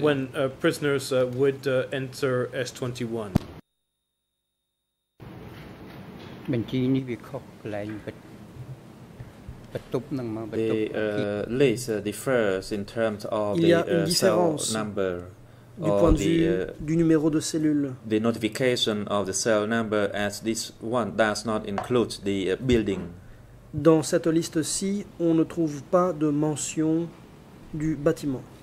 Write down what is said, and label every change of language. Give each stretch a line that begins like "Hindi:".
English: when, prisoners, would, enter S21. The list differs in terms of
French: il y a une différence
English: cell number
French: du point de vue du numéro de cellule.
English: The notification of the cell number as this one does not include the building.
French: Dans cette liste-ci, on ne trouve pas de mention du bâtiment.